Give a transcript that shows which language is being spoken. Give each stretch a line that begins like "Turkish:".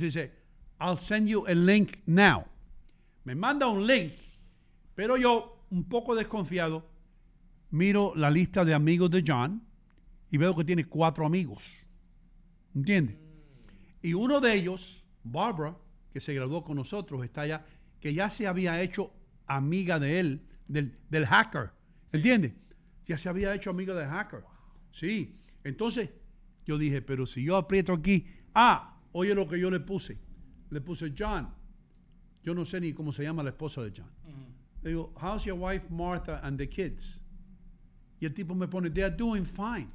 English: He said, I'll send you a link now.
Spanish: Me manda un link, pero yo, un poco desconfiado, miro la lista de amigos de John y veo que tiene 4 amigos. ¿Entiendes? Y uno de ellos, Barbara, que se graduó con nosotros, está allá, que ya se había hecho amiga de él, del hacker. ¿Entiendes? Sí. Ya se había hecho amiga del hacker. Wow. Sí. Entonces, yo dije, pero si yo aprieto aquí, oye lo que yo le puse. Le puse, John, yo no sé ni cómo se llama la esposa de John. Uh-huh. Le digo,
English: how's your wife Martha and the kids?
Spanish: Y el tipo me pone,
English: they are doing fine.